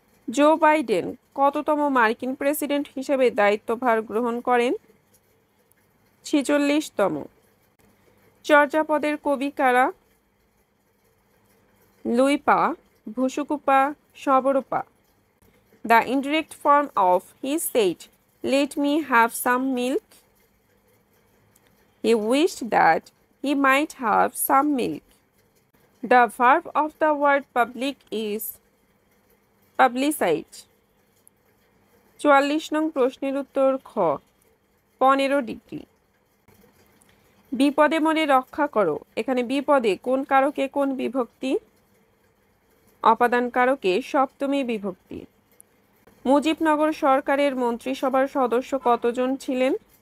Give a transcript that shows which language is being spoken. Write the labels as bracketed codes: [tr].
[bn] Joe Biden কততম মার্কিন president হিসেবে দায়িত্বভার গ্রহণ করেন? 46তম। চর্যাপদের কবি কারা? [en] Luipa, Bhusukupa, Sabarpa. The indirect form of he said Let me have some milk. He wished that he might have some milk. The verb of the word public is publicize. [bn] 44 নং প্রশ্নের উত্তর খ 15 ডিগ্রি বিপদে মনে রক্ষা করো এখানে বিপদে কোন কারকে কোন বিভক্তি অপাদান কারকে সপ্তমী বিভক্তি মুজিবনগর সরকারের মন্ত্রিসভার সদস্য কতজন ছিলেন